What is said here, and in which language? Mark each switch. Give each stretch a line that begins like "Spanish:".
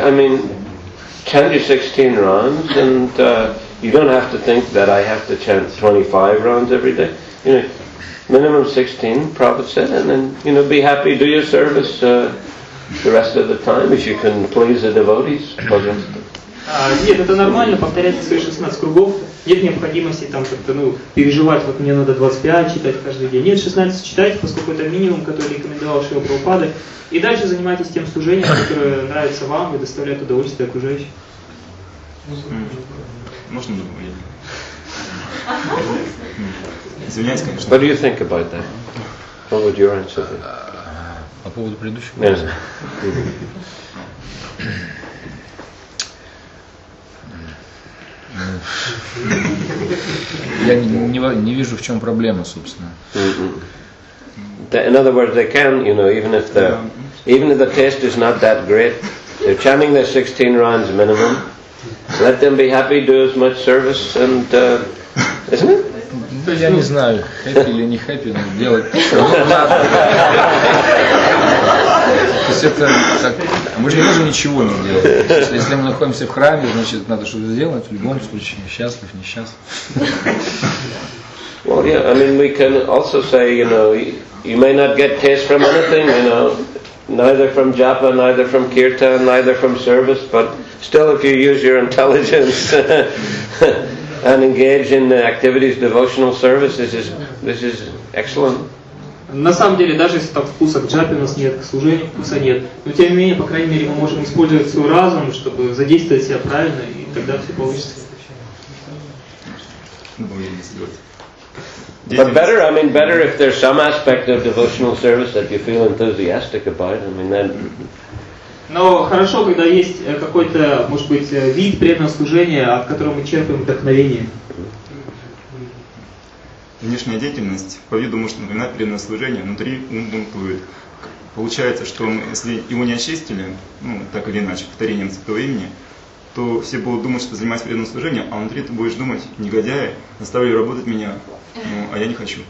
English: I mean, 10 to 16 runs, and you don't have to think that I have to chant 25 runs every day. You know, minimum 16, Prabhupada said, and then, you know, be happy, do your service. The rest of the time, if you can please the devotees,
Russian: пожалуйста. Нет, это нормально, повторять свои 16 кругов. Нет необходимости там как-то, ну, переживать, вот мне надо 25 читать каждый день. Нет, 16 читайте, поскольку это минимум, который рекомендовал Шрила Прабхупада. И дальше занимайтесь тем служением, которое нравится вам и доставляет удовольствие окружающим. Можно добавить? Извиняюсь, конечно.
English: What do you think about that? What would your answer be?
Russian: По поводу предыдущего вопроса.
English: Yes.
Russian: Я не вижу, в чем проблема, собственно. Mm-hmm.
English: In other words, they can, you know, even if the test is not that great, they're chanting their 16 runs minimum. Let them be happy, do as much service, and isn't it?
Russian: Ну, я не знаю, хэппи или не хэппи, но делать все равно. То есть это так, мы же не можем ничего не делать. Если мы находимся в храме, значит, надо что-то сделать, в любом случае, счастлив, несчастлив.
English: Well, yeah, I mean, we can also say, you know, you may not get taste from anything, you know, neither from japa, neither from kirtan, neither from service, but still, if you use your intelligence, and engage in the activities, devotional services, this is excellent.
Russian: На самом деле, даже если там вкуса к джапе у нас нет, к служению вкуса нет, но тем не менее, по крайней мере, мы можем использовать свой разум, чтобы задействовать себя правильно, и тогда все получится.
English: But better, I mean, better if there's some aspect of devotional service that you feel enthusiastic about, I mean, then...
Russian: Но хорошо, когда есть какой-то, может быть, вид преданного служения, от которого мы черпаем вдохновение. Внешняя деятельность по виду может напоминать преданное служение, внутри ум бунтует. Получается, что если его не очистили, ну, так или иначе, повторением святого имени, то все будут думать, что занимаюсь преданным служением, а внутри ты будешь думать: негодяи, заставили работать меня, ну, а я не хочу.